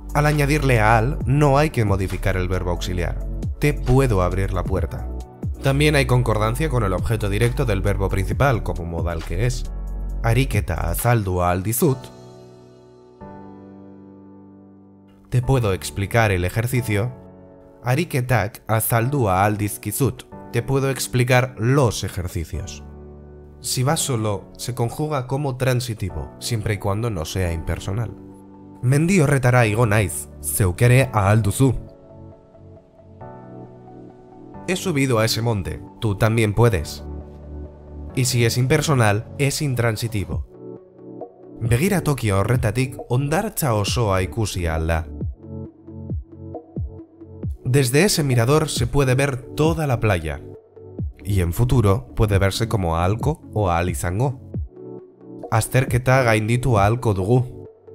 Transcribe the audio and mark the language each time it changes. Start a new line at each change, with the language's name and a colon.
Spanish: Al añadirle aal, no hay que modificar el verbo auxiliar. Te puedo abrir la puerta. También hay concordancia con el objeto directo del verbo principal, como modal que es.
Basque: Ariketa azaldu ahal dizut.
Spanish: Te puedo explicar el ejercicio.
Basque: Ariketak azaldu ahal dizkizut.
Spanish: Te puedo explicar los ejercicios. Si va solo, se conjuga como transitivo, siempre y cuando no sea impersonal.
Basque: Mendi horretara igo naiz, zeukere ahal duzu.
Spanish: He subido a ese monte, tú también puedes. Y si es impersonal, es intransitivo.
Basque: Begira toki horretatik ondartza osoa ikusi ahal da.
Spanish: Desde ese mirador se puede ver toda la playa. Y en futuro puede verse como ahalko o ahal izango.
Basque: Azterketa gainditu ahalko dugu.